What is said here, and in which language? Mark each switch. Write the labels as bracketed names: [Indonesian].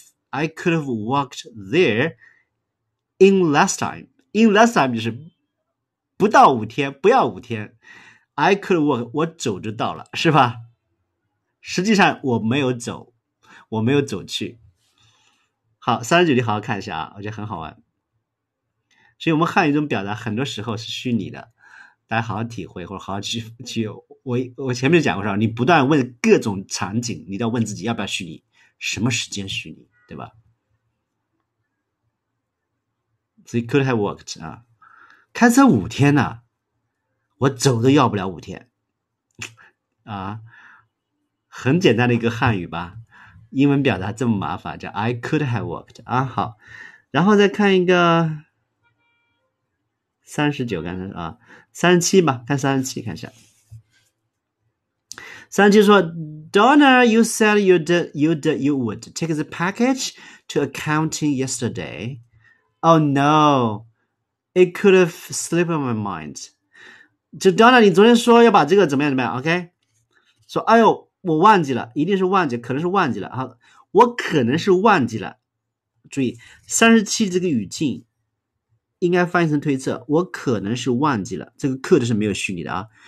[English] I could have walked there in less time， in less time [Chinese] 就是不到5天，不要5天。 [English] I could walk， [Chinese] 我走就到了，是吧？实际上我没有走，我没有走去。好，三十九题好好看一下啊，我觉得很好玩。所以我们汉语中表达很多时候是虚拟的，大家好好体会，或者好好去我前面就讲过，你不断问各种场景，你都要问自己要不要虚拟，什么时间虚拟，对吧？所以 [English] could have worked [Chinese] 啊，开车5天呢、啊、我走都要不了5天啊，很简单的一个汉语吧。英文表达这么麻烦，叫 [English] I could have worked [Chinese] 啊。好，然后再看一个39，刚才啊37吧，看37，看一下37说 [English] Donna you said you would take the package to accounting yesterday. Oh no, it could have slipped my mind. [Chinese] 就 Donna 你昨天说要把这个怎么样怎么样 OK， 说哎呦我忘记了，一定是忘记，可能是忘记了啊！我可能是忘记了。注意，37这个语境应该翻译成推测，我可能是忘记了，这个 could 是没有虚拟的啊。